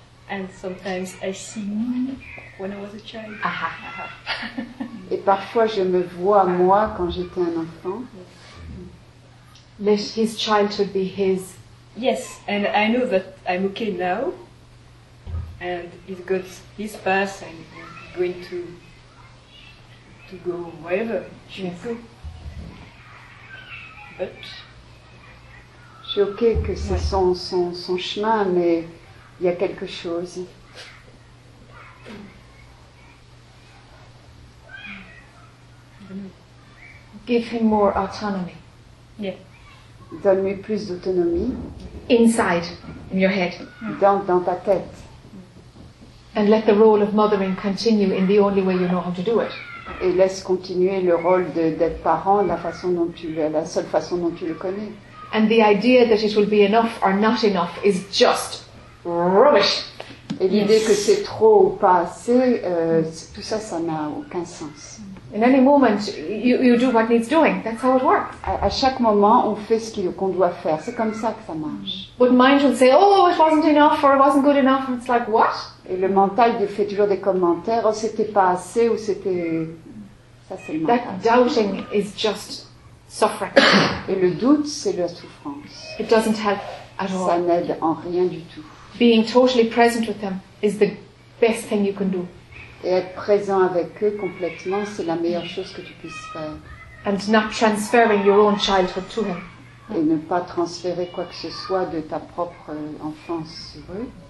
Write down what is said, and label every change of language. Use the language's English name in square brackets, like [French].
[English] And sometimes I see me when I was a child. Aha. [French] Et parfois je me vois moi quand j'étais un enfant. [English] Let his childhood be his. Yes, and I know that I'm okay now. And he's got his path and he's going to go wherever he should go. [French] Je suis ok que c'est son chemin, mais il y a quelque chose. [English] Give him more autonomy. Yeah. [French] Donne-lui plus d'autonomie. [English] Inside, in your head. [French] Dans ta tête. [English] And let the role of mothering continue in the only way you know how to do it. [French] Et laisse continuer le rôle d'être parent la seule façon dont tu le connais. [English] And the idea that it will be enough or not enough is just rubbish. [French] Et l'idée que c'est trop ou pas assez, tout ça, ça n'a aucun sens. [English] In any moment, you do what needs doing. That's how it works. [French] À chaque moment, on fait ce qu'on doit faire. C'est comme ça que ça marche. [English] But mind will say, oh, it wasn't enough, or it wasn't good enough. It's like, what? [French] Et le mental, il fait toujours des commentaires. Oh, c'était pas assez, ou c'était... Ça, c'est le mental. [English] That doubting is just suffering. [French] Et le doute, c'est la souffrance. [English] It doesn't help at all. [French] Ça n'aide en rien du tout. [English] Being totally present with them is the best thing you can do. [French] Et être présent avec eux complètement, c'est la meilleure chose que tu puisses faire. [English] And not transferring your own childhood to them. [French] Et ne pas transférer quoi que ce soit de ta propre enfance sur eux.